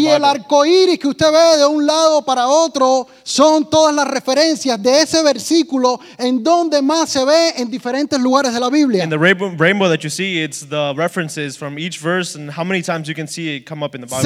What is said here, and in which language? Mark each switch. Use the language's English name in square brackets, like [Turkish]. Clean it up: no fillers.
[Spanish] y [English] the Bible. [Spanish] Y el arco iris que usted ve de un lado para otro son todas las referencias de ese versículo en donde más se ve en diferentes lugares de la Biblia. [English] And the rainbow that you see, it's the references from each verse and how many times you can see it come up in the Bible.